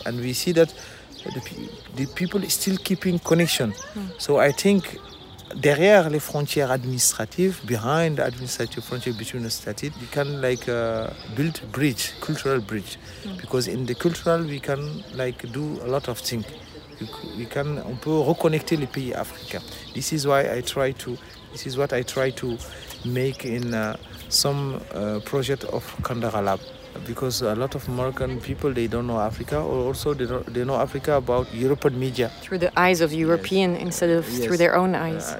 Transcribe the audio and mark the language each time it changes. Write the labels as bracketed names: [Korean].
[English] And we see that the people are still keeping connection. Mm. So I think [French] derrière les frontières administratives, [English] behind the administrative frontier between the states, we can like build bridge, cultural bridge. Mm. Because in the cultural, we can like do a lot of things. We can, [French] on peut reconnecter les pays africains. [English] This is why I try to, this is what I try to make in some project of Kandara Lab. Because a lot of Moroccan people, they don't know Africa, or also they know Africa about European media. Through the eyes of European, yes. Instead of, yes, through their own eyes.